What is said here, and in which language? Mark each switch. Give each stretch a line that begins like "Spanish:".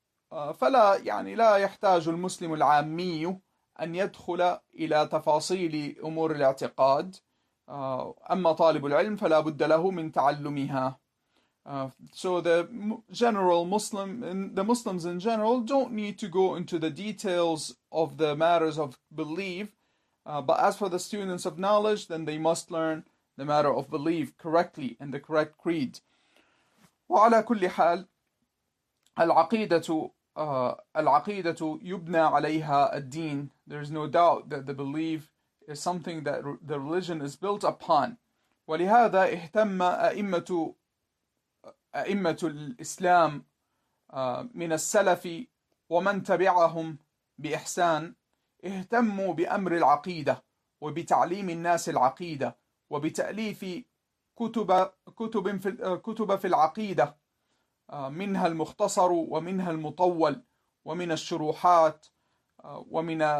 Arabic: فلا يعني لا يحتاج المسلم العامي أن يدخل إلى تفاصيل أمور الاعتقاد. أما طالب العلم فلا بد له من تعلمها.
English: So the general Muslim, the Muslims in general, don't need to go into the details of the matters of belief. But as for the students of knowledge, then they must learn the matter of belief correctly and the correct creed.
Arabic: وعلى كل حال العقيدة يبنى عليها الدين.
English: There is no doubt that the belief is something that the religion is built upon.
Arabic: ولهذا اهتم أئمة الإسلام من السلف ومن تبعهم بإحسان، اهتموا بأمر العقيدة وبتعليم الناس العقيدة وبتأليف كتب في العقيدة، منها المختصر ومنها المطول ومن الشروحات ومن